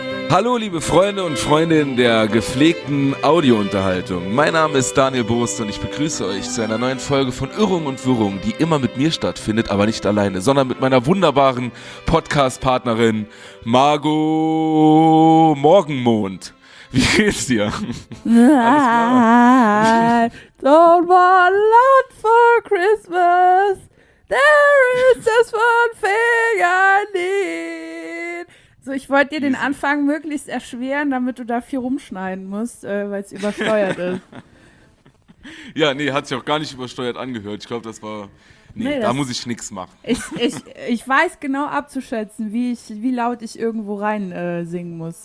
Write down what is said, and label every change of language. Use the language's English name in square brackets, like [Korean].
[German] Hallo liebe Freunde und Freundinnen der gepflegten Audiounterhaltung. Mein Name ist Daniel Boost und ich begrüße euch zu einer neuen Folge von Irrungen und Wirrungen, die immer mit mir stattfindet, aber nicht alleine, sondern mit meiner wunderbaren Podcast-Partnerin Margot Morgenmond. Wie geht's dir? Alles klar? [English] I don't want a lot for Christmas. There is just one thing I need. [German] So, ich wollte dir den Anfang möglichst erschweren, damit du da viel rumschneiden musst, weil es übersteuert ist. Ja, nee, hat sich auch gar nicht übersteuert angehört. Ich glaube, das war, nee, da muss ich nichts machen. Ich weiß genau abzuschätzen, wie laut ich irgendwo rein singen muss.